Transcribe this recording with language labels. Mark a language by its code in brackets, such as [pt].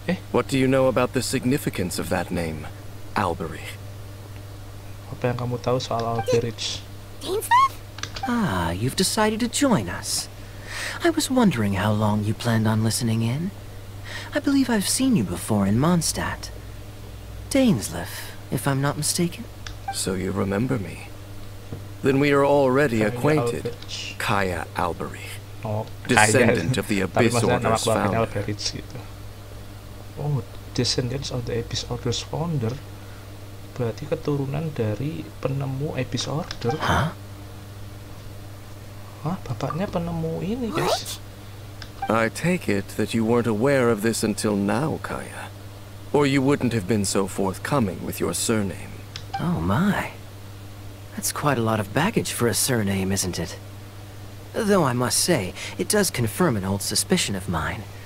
[en] What do you know about the significance of that name, Albrecht? [id] Apa yang kamu tahu soal Albrecht? [en] Ah, you've decided to join us. I was wondering how long you planned on listening in. I believe I've seen you before in Mondstadt. Dainsleif, if I'm not mistaken. So you remember me. Then we are already acquainted. Kaya Albrecht. Descendant of the Abyss Order's founder. Oh, descendants of the Abyss Order's founder. [id] Berarti keturunan dari penemu Abyss Order. Hah? Hah, bapaknya penemu ini, guys. [en] I take it that you weren't aware of this until now, Kaya. Or you wouldn't have been so forthcoming with your surname. Oh my. That's quite a lot of baggage for a surname, isn't it? Though I must say, it does confirm an old suspicion of mine.